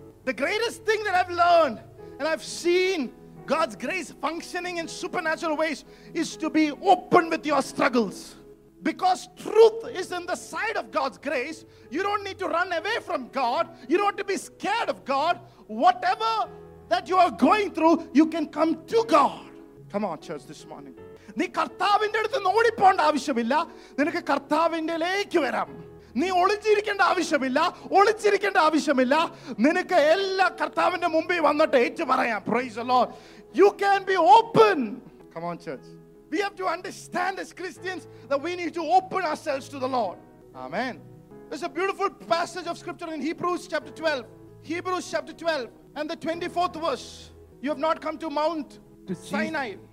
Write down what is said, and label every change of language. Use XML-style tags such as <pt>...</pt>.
<en>The greatest thing that I've learned, and I've seen God's grace functioning in supernatural ways, is to be open with your struggles. Because truth is in the side of God's grace, you don't need to run away from God. You don't have to be scared of God. Whatever that you are going through, you can come to God. Come on, church, this morning.</en> <ml>നീ കർത്താവിന്റെ അടുത്ത് ഓടിപ്പോണ്ട ആവശ്യമില്ല, നിനക്ക് കർത്താവിന്റെലേക്ക് വരാം. നീ ഒളിച്ചിരിക്കേണ്ട ആവശ്യമില്ല, ഒളിച്ചിരിക്കേണ്ട ആവശ്യമില്ല, നിനക്ക് എല്ലാ കർത്താവിന്റെ മുമ്പിൽ വന്നിട്ട് ഏറ്റു പറയാം.</ml> <en>Praise the Lord. You can be open. Come on, church. We have to understand as Christians that we need to open ourselves to the Lord. Amen. There's a beautiful passage of scripture in Hebrews chapter 12. Hebrews chapter 12 and the 24th verse. You have not come to Mount Sinai.</en>